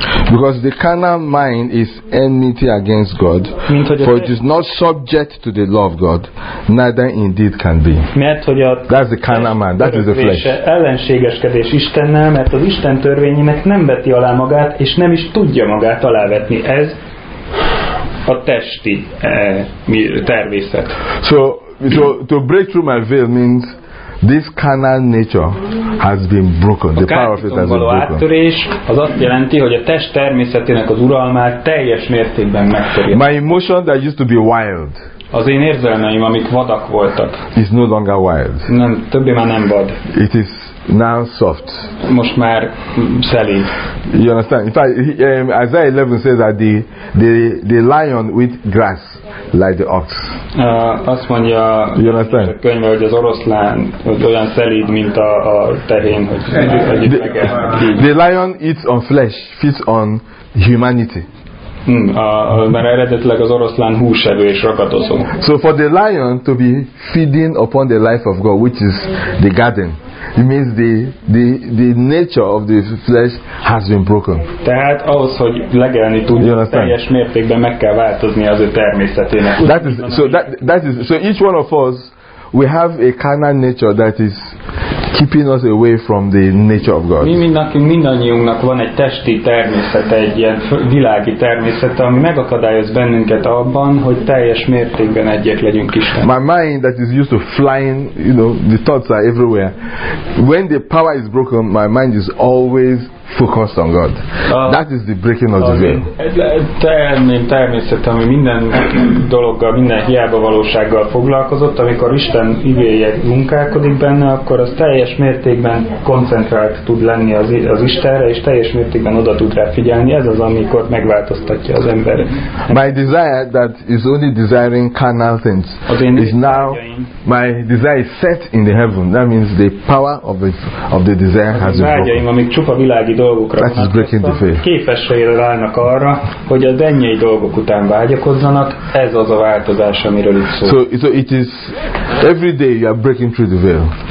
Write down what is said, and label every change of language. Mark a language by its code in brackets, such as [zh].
[en] Because the carnal mind is enmity against God, for it is not subject to the law of God, neither indeed can be. [hu] Mert hogy a [en] that's the carnal mind, that is the flesh. [hu] Ellenségeskedés Istennel, mert az Isten törvényének nem veti alá magát, és nem is tudja magát alávetni. Ez a testi természet. [en] So to break through my veil means this carnal nature has been broken. The power of it has been broken. [hu] Áttörés az azt jelenti, hogy a test természetének az uralmát teljes mértékben megtörjük. [en] My emotion that used to be wild, [hu] az én érzelmeim, amik vadak voltak, [en] is no longer wild. [hu] Nem, többé már nem vad. [en] It is now soft. [hu] Most már szelíd. [en] You understand? In fact, Isaiah 11 says that the lion with grass like the ox. [hu] Azt mondja, [en] you understand? [hu] A könyve, hogy az oroszlán olyan szelíd, mint a tehén, hogy [en] the lion eats on flesh, feeds on humanity. [hu] Mert eredetileg az oroszlán húsevő és ragadozó. [en] So for the lion to be feeding upon the life of God, which is the garden, It means the nature of the flesh has been broken. [hu] Tehát ahhoz, hogy legelni tudjon, teljes mértékben meg kell változni az ő természetének. [en] So each one of us, we have a carnal nature that is keeping us away from the nature of God. [hu] Mi mindannyiunknak van egy testi természete, egy ilyen világi természete, ami megakadályoz bennünket abban, hogy teljes mértékben egyek legyünk Isten. [en] My mind that is used to flying, you know, the thoughts are everywhere. When the power is broken, my mind is always focused on God. That is the breaking of the veil. [hu] Természete, ami minden dologgal, minden hiába valósággal foglalkozott, amikor Isten igéje munkálkodik benne, akkor az teljes mértékben koncentrált tud lenni az Istenre, és teljes mértékben oda tud rá figyelni. Ez az, amikor megváltoztatja az ember. [en] My desire that is only desiring carnal things is now, my desire is set in the heaven. That means the power of the desire has been broken. [hu] Vágyaim, amik csupa világi dolgokra vonatkoztak, képesre állnak arra, hogy a dennyei dolgok után vágyakozzanak. Ez az a változás, amiről itt szól. [en] So it is every day you are breaking through the veil.